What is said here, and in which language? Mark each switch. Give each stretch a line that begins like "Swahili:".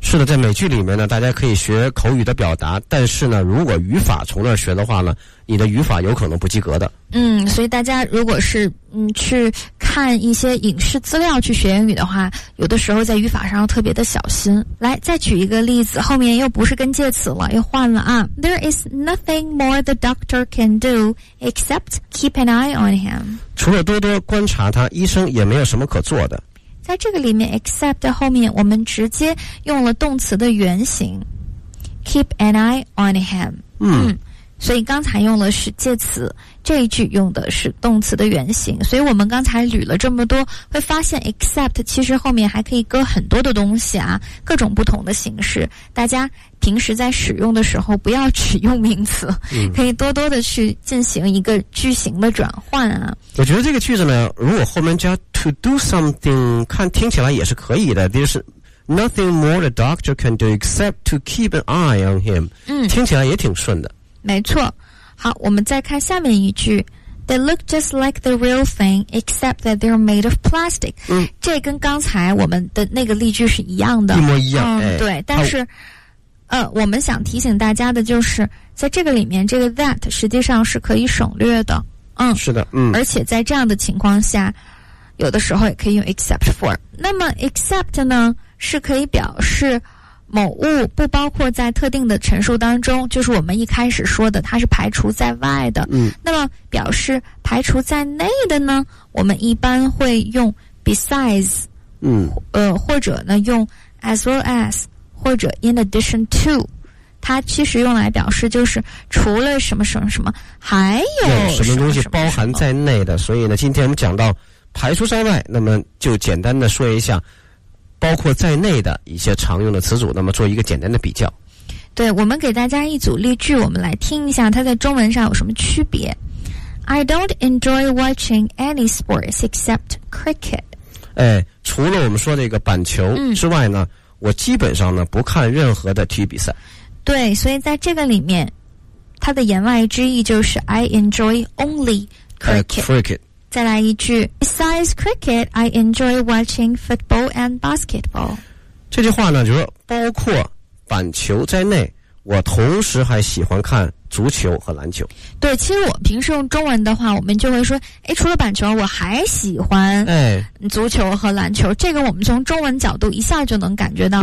Chinese: 是的，在美剧里面呢大家可以学口语的表达，但是呢如果语法从那儿学的话呢，你的语法有可能不及格的。嗯，所以大家如果是去看一些影视资料去学英语的话，有的时候在语法上要特别的小心。来，再举一个例子，后面又不是跟介词了，又换了啊。
English: There is nothing more the doctor can do except keep an eye on him.
Chinese: 除了多多观察他，医生也没有什么可做的。在这个里面 except 后面我们直接用了动词的原形 keep an eye on him。所以刚才用的是介词，这一句用的是动词的原形。所以我们刚才捋了这么多，会发现 except 其实后面还可以搁很多的东西啊，各种不同的形式。大家平时在使用的时候不要只用名词，可以多多的去进行一个句型的转换啊。我觉得这个句子呢，如果后面加 to do something，看听起来也是可以的。
English: 就是 nothing more the doctor can do except to keep an eye on him。
Chinese: 听起来也挺顺的。没错。好，我们再看下面一句。
English: They look just like the real thing, except that they're made of plastic。
Chinese: 这跟刚才我们的那个例句是一样的。一模一样。对，但是我们想提醒大家的就是，在这个里面，这个 that 实际上是可以省略的。是的。而且在这样的情况下，有的时候也可以用 except for。那么 except 呢，是可以表示某物不包括在特定的陈述当中，就是我们一开始说的它是排除在外的。那么表示排除在内的呢，我们一般会用 besides。或者呢用 as well as 或者 in addition to，它其实用来表示就是除了什么什么什么还有什什么东西包含在内的。所以呢今天我们讲到排除在外，那么就简单的说一下包括在内的一些常用的词组，那么做一个简单的比较。对，我们给大家一组例句，我们来听一下它在中文上有什么区别。
English: I don't enjoy watching any sports except cricket。
Chinese: 除了我们说这个板球之外呢，我基本上呢不看任何的体育比赛。对，所以在这个里面它的言外之意就是 I enjoy only cricket。
English: 再来一句， Besides cricket, I enjoy watching football and basketball。
Chinese: 这句话呢就是包括板球在内，我同时还喜欢看足球和篮球。对，其实我平时用中文的话，我们就会说除了板球我还喜欢足球和篮球。这个我们从中文角度一下就能感觉到。